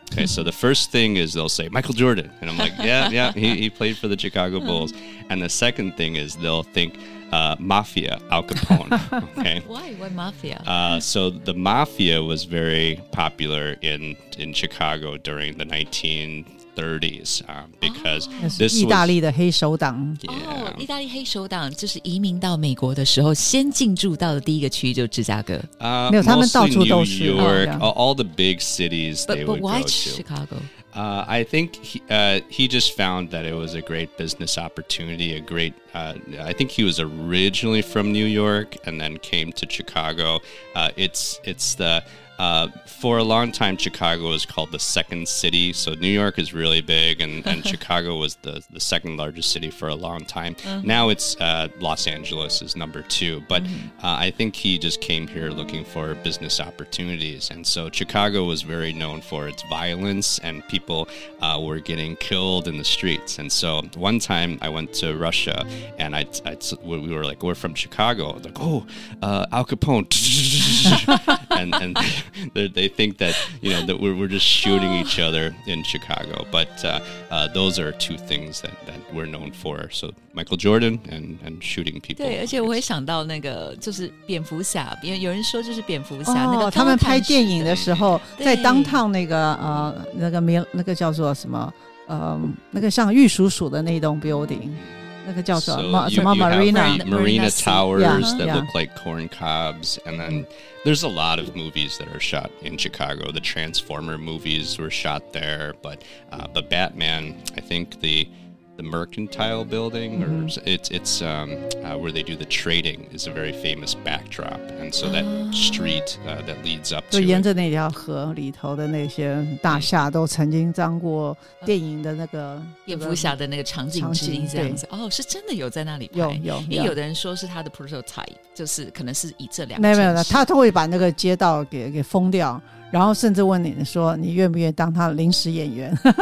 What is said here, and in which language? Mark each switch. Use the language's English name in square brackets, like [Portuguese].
[English] Okay, so the first thing is they'll say, Michael Jordan. And I'm like, yeah, yeah, he played for the Chicago Bulls. And the second thing is they'll think、Mafia, Al Capone. Okay. Why Mafia?、 So the Mafia was very popular in Chicago during the 1930s because、oh, this was... [Chinese] 意大利的黑手党。哦，意大利黑手党就是移民到美国的时候先进驻到的第一个区域就是芝加哥。没有，他们到处都是。 [English] Mostly New York,、oh, yeah. all the big cities but, they would go to. But why Chicago? I think he just found that it was a great business opportunity, a great...、I think he was originally from New York and then came to Chicago.、it's the... for a long time, Chicago was called the second city. So New York is really big, and Chicago was the second largest city for a long time.、Uh-huh. Now it's、Los Angeles is number two. But、uh-huh. I think he just came here looking for business opportunities. And so Chicago was very known for its violence, and people、were getting killed in the streets. And so one time I went to Russia, and we were like, we're from Chicago. I was like, oh, Al Capone. and they think that, you know, that we're just shooting each other in Chicago. But those are two things that we're known for. So Michael Jordan and shooting people. [Chinese] 对，而且我会想到那个就是蝙蝠侠，有人说就是蝙蝠侠、哦、那个他们拍电影的时候，在downtown那个那个叫做什么那个像玉鼠鼠的那栋 building。那个叫做 [English] Marina Marina Towers yeah, that yeah. look like corn cobs. And then there's a lot of movies that are shot in Chicago. The Transformer movies were shot there. But the Batman, I think the Mercantile Building,、mm-hmm. or it's where they do the trading, is a very famous backdrop. And so that street、that leads up to [Chinese] 就沿着那条河里头的那些大厦都曾经当过电影的那个蝙蝠侠的那个场景之一这样子。哦，是真的有在那里拍，有因为有的人说是他的 prototype， 就是可能是以这两个没有的，他都会把那个街道给封掉，然后甚至问你说你愿不愿意当他临时演员、